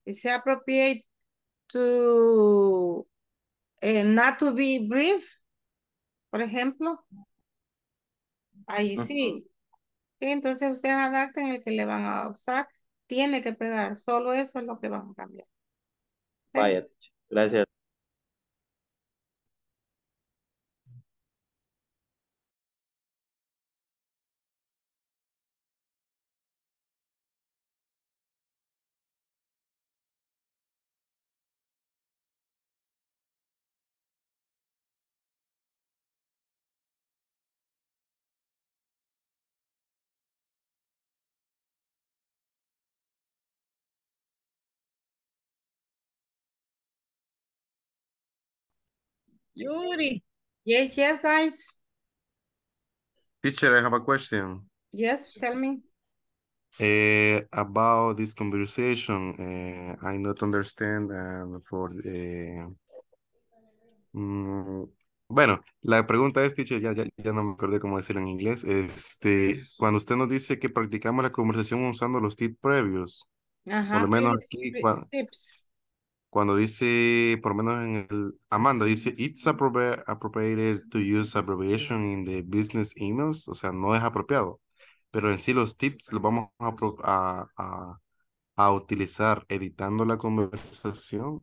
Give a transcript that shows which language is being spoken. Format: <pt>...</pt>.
<en>Is it appropriate to not to be brief?</en> <es>Por ejemplo. Ahí sí. Entonces ustedes adapten el que le van a usar. Tiene que pegar. Solo eso es lo que van a cambiar. Vaya, gracias. Yuri.</es> <en>Yes, yes, guys. Teacher, I have a question. Yes, tell me. About this conversation, I not understand for the...</en> <es>bueno, la pregunta es, teacher, ya no me acordé cómo decirlo en inglés. Cuando usted nos dice que practicamos la conversación usando los tips previos, por lo menos aquí, cuando... tips. Cuando dice, por lo menos en el, Amanda dice,</es> <en>it's appropriate to use abbreviation in the business emails,</en> <es>o sea, no es apropiado, pero en sí los tips los vamos a utilizar editando la conversación</es>